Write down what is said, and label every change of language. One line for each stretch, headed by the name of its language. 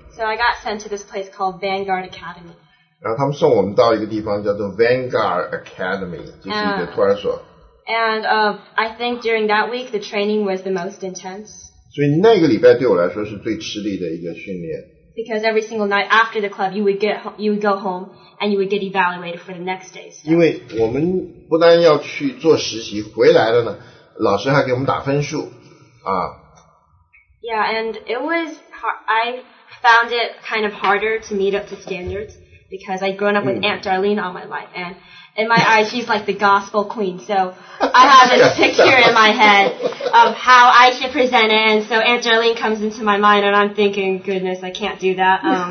English: So I got sent to this place called Vanguard Academy.
Chinese: 然后他们送我们到一个地方叫做 Vanguard Academy, 这是一个托儿所。
English: And I think during that week, the training was the most intense.
Chinese: 所以那个礼拜对我来说是最吃力的一个训练。
English: Because every single night after the club, you would go home and you would get evaluated for the next day's stuff.
Chinese: 因为我们不单要去做实习，回来了呢，老师还给我们打分数，啊。
English: Yeah, and it was hard. I found it kind of harder to meet up to standards because I'd grown up with Aunt Darlene all my life, and in my eyes, she's like the gospel queen. So I have this picture in my head of how I should present it. And so Aunt Darlene comes into my mind and I'm thinking, goodness, I can't do that.